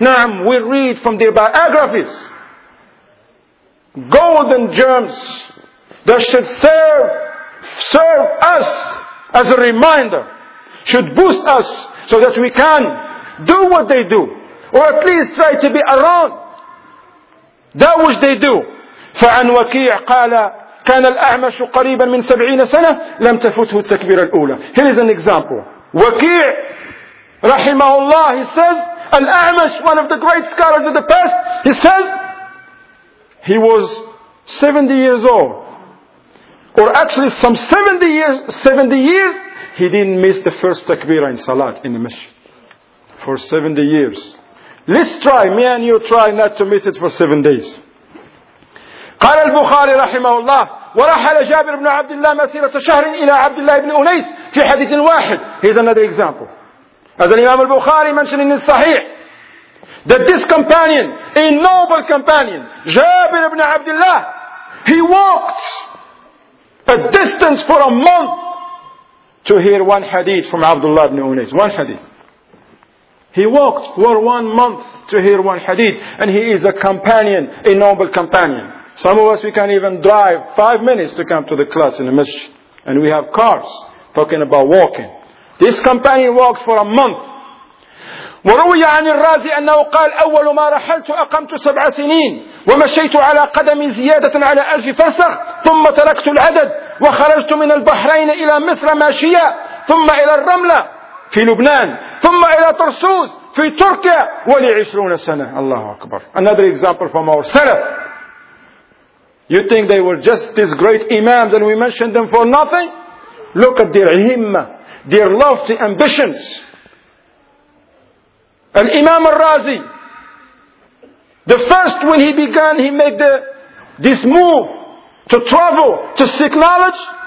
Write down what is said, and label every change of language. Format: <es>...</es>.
<en>Naam, we read from their biographies. Golden germs that should serve us as a reminder. Should boost us so that we can do what they do, or at least try to be around that which they do.</en> <ar>فعن وكيع قال كان الأعمش قريبا من 70 سنة لم تفته التكبيرة الأولى.</ar> <en>Here is an example. وكيع</en> <ar>رحمه الله,</ar> <en>he says, الأعمش, one of the great scholars of the past, he says he was 70 years old, or actually some 70 years he didn't miss the first takbira in salat in the masjid for 70 years. Let's try, me and you try not to miss it for 7 days.</en> <ar>قال البخاري رحمه الله ورحل جابر بن عبد الله مسيرة شهر إلى عبد الله بن أنيس في حديث واحد.</ar> <en>Here's another example. As the Imam al-Bukhari mentioned in his Sahih, that this companion, a noble companion, Jabir ibn Abdullah, he walked a distance for a month to hear one hadith from Abdullah ibn Unais. One hadith. He walked for 1 month to hear one hadith, and he is a companion, a noble companion. Some of us, we can even drive 5 minutes to come to the class in the masjid, and we have cars, talking about walking. This companion walked for a month.</en> <ar>وروي عن الرازي أنه قال أول ما رحلت أقمت 7 سنين ومشيت على قدمي زيادة على 1000 فسخ ثم تركت العدد وخرجت من البحرين إلى مصر ماشية ثم إلى الرملة في لبنان ثم إلى طرسوس في تركيا ول20 سنة. الله أكبر.</ar> <en>Another example from our salaf. You think they were just these great imams and we mentioned them for nothing? Look at their himma, their lofty ambitions. Al-Imam al-Razi, the first when he began, he made this move to travel, to seek knowledge.</en>